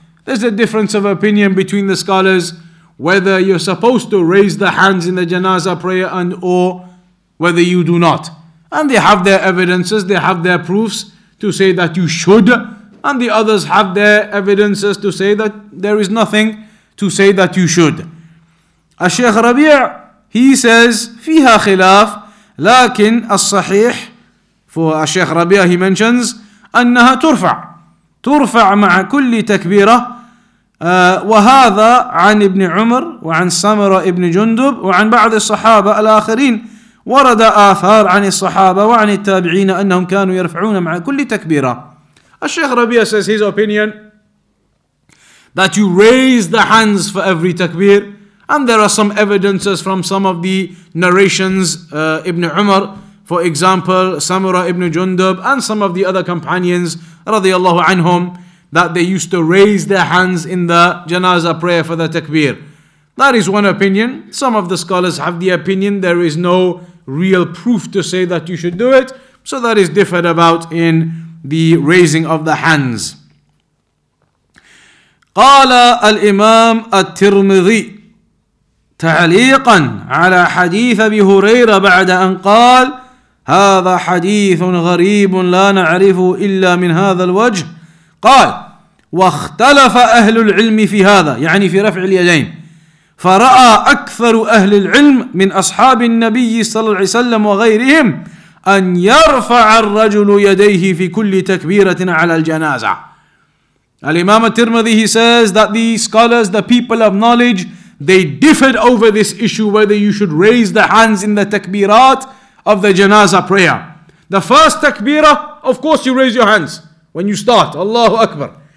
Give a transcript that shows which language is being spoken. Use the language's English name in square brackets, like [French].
[English] There's a difference of opinion between the scholars whether you're supposed to raise the hands in the janazah prayer and or whether you do not. And they have their evidences, they have their proofs to say that you should. And the others have their evidences to say that there is nothing to say that you should. [Arabic] الشيخ ربيع, [English] he says, [Arabic] فيها خلاف. لكن الصحيح [English] for [Arabic] الشيخ ربيع, [English] he mentions [Arabic] أنها ترفع ترفع مع كل تكبيرة وهذا عن ابن عمر وعن سمرة ابن جندب وعن بعض الصحابة الآخرين ورد آثار عن الصحابة وعن التابعين أنهم كانوا يرفعون مع كل تكبيرة. [English] الشيخ ربيع says his opinion that you raise the hands for every takbir, and there are some evidences from some of the narrations, Ibn Umar, for example, Samura ibn Jundub, and some of the other companions, radiallahu anhum, that they used to raise their hands in the janazah prayer for the takbir. That is one opinion. Some of the scholars have the opinion there is no real proof to say that you should do it. So that is differed about in the raising of the hands. [Arabic] قال الإمام الترمذي تعليقا على حديث أبي هريرة بعد أن قال هذا حديث غريب لا نعرفه إلا من هذا الوجه قال واختلف أهل العلم في هذا يعني في رفع اليدين فرأى أكثر أهل العلم من أصحاب النبي صلى الله عليه وسلم وغيرهم أن يرفع الرجل يديه في كل تكبيرة على الجنازة. [English] Al-Imam al-Tirmidhi, he says that the scholars, the people of knowledge, they differed over this issue whether you should raise the hands in the takbirat of the janazah prayer. The first takbirah, of course you raise your hands when you start, Allahu Akbar.